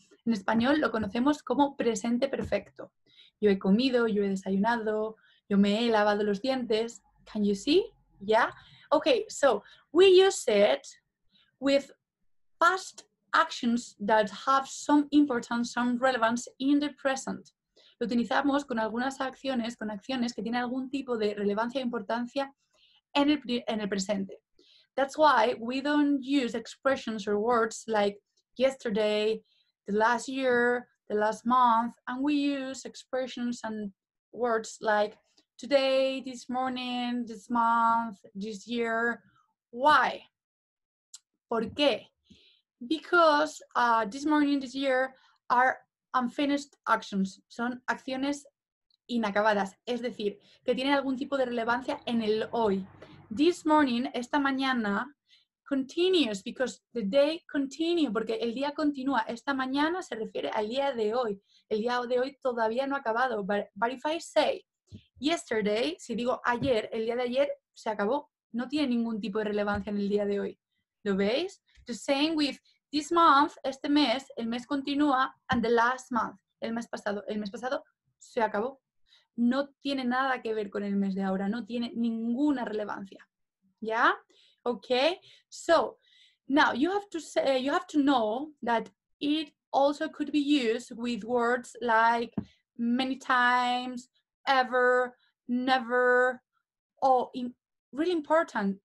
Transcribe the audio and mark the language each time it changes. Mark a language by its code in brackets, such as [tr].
[es] En español lo conocemos como presente perfecto. Yo he comido, yo he desayunado, yo me he lavado los dientes. [en] Can you see? Yeah? Okay, so we use it with past actions that have some importance, some relevance in the present. [es] lo utilizamos con algunas acciones, con acciones que tienen algún tipo de relevancia e importancia en el presente. [en] That's why we don't use expressions or words like yesterday, the last year, the last month, and we use expressions and words like today, this morning, this month, this year. Why? [es] ¿Por qué? [en] Because this morning, this year are unfinished actions. [es] Son acciones inacabadas. Es decir, que tienen algún tipo de relevancia en el hoy. [en] This morning, [es] esta mañana, [en] continues because the day continues. [es] Porque el día continúa. Esta mañana se refiere al día de hoy. El día de hoy todavía no ha acabado. [en] But if I say yesterday, [es] si digo ayer, el día de ayer se acabó. No tiene ningún tipo de relevancia en el día de hoy. ¿Lo veis? [en] The same with this month, [es] este mes, el mes continúa, [en] and the last month, [es] el mes pasado. El mes pasado se acabó. No tiene nada que ver con el mes de ahora. No tiene ninguna relevancia. ¿Ya? Yeah? Okay. [en] So, now you have to say, you have to know that it also could be used with words like many times, ever, never, or really important.